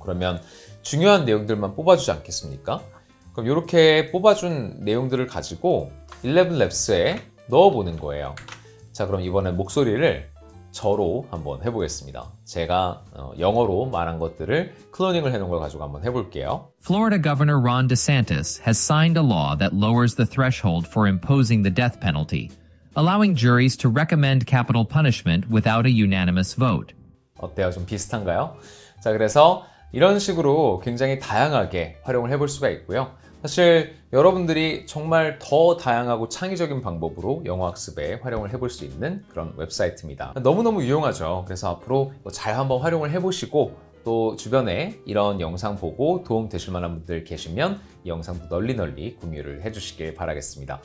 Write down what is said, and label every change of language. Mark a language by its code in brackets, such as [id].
[ko] 그러면 중요한 내용들만 뽑아주지 않겠습니까? 그럼 이렇게 뽑아준 내용들을 가지고 11labs에 넣어보는 거예요. 자, 그럼 이번에 목소리를 저로 한번 해보겠습니다. 제가 영어로 말한 것들을 클로닝을 해놓은 걸 가지고 한번 해볼게요. [en] Florida Governor Ron DeSantis has signed a law that lowers the threshold for imposing the death penalty, allowing juries to recommend capital punishment without a unanimous vote. [ko] 어때요? 좀 비슷한가요? 자, 그래서 이런 식으로 굉장히 다양하게 활용을 해볼 수가 있고요. 사실 여러분들이 정말 더 다양하고 창의적인 방법으로 영어 학습에 활용을 해볼 수 있는 그런 웹사이트입니다. 너무너무 유용하죠. 그래서 앞으로 잘 한번 활용을 해보시고 또 주변에 이런 영상 보고 도움 되실 만한 분들 계시면 이 영상도 널리 공유를 해주시길 바라겠습니다.